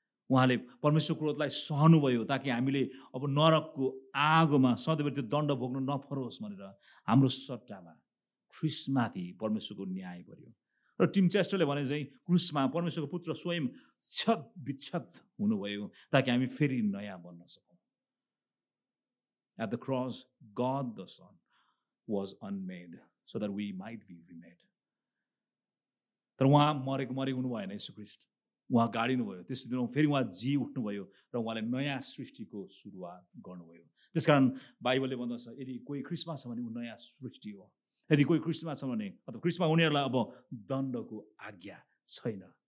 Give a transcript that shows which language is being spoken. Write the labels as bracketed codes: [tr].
[ne] उहाँले परमेश्वर क्रोधलाई सहनुभयो ताकि हामीले अब नरकको आगोमा सदैव त्यो दण्ड भोग्नु नपरोस् भनेर हाम्रो सट्टामा ख्रिस्टमाथि परमेश्वरको न्याय पर्यो। र टिम च्यास्टरले भने चाहिँ क्रुसमा परमेश्वरको पुत्र स्वयं छत विच्छत हुनुभयो ताकि हामी फेरि नयाँ बन्न सकौँ। [en] At the cross God the Son was unmade so that we might be remade. [ne] तर उहाँ मरेको मरेको हुनु भएन, येशु ख्रिस्ट उहाँ गाडिनुभयो, त्यस दिन फेरि उहाँ जी उठ्नुभयो र उहाँले नयाँ सृष्टिको सुरुवात गर्नुभयो। त्यस कारण बाइबलले भन्दछ, यदि कोही ख्रिस्टमा छ भने ऊ नयाँ सृष्टि हो, यदि कोही ख्रिस्टमा छ भने अथवा ख्रिस्टमा उनीहरूलाई अब दण्डको आज्ञा छैन।